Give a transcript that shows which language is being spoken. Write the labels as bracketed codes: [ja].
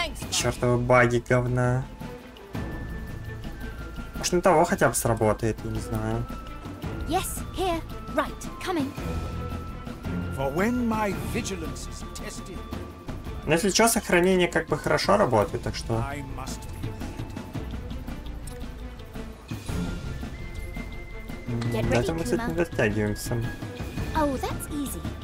[ru] Чертовы баги, говна. Может, на того хотя бы сработает, я не знаю. [en] Yes, here. Right, coming. For when my vigilance is tested. [ru] Но если что, сохранение как бы хорошо работает, так что. [en] Ready, [ru] на этом мы, кстати, не дотягиваемся. [en] Oh, that's easy.